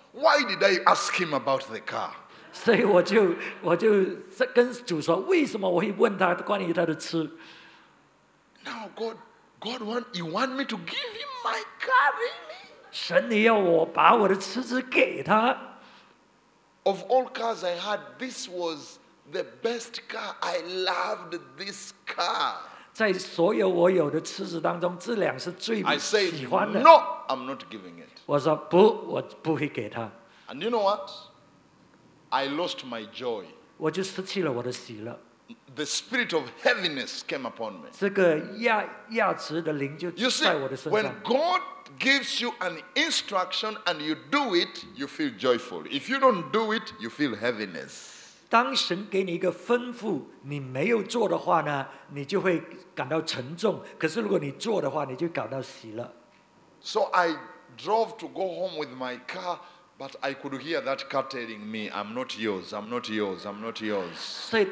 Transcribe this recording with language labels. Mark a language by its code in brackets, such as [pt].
[en] Why did I ask him about the car?" [zh] 所以我就跟主说，为什么我会问他关于他的车？ [en] Now God want you want me to give him my car, really? [zh] 神，你要我把我的车子给他？ [en] Of all cars I had, this was the best car. I loved this car. [zh] 在所有我有的车子当中，这辆是最喜欢的。 [en] I said, "No, I'm not giving it." [zh] 我说不，我不会给他。 [en] And you know what? I lost my joy. [zh] 我就失去了我的喜乐。 [en] the spirit of heaviness came upon me. [zh] 这个压制的灵就在我的身上。 [en] You see, when God gives you an instruction and you do it, you feel joyful. If you don't do it, you feel heaviness. [zh] 当神给你一个吩咐，你没有做的话呢，你就会感到沉重。可是如果你做的话，你就感到喜乐。 [en] So I drove to go home with my car, but I could hear that car telling me, I'm not yours, I'm not yours, I'm not yours.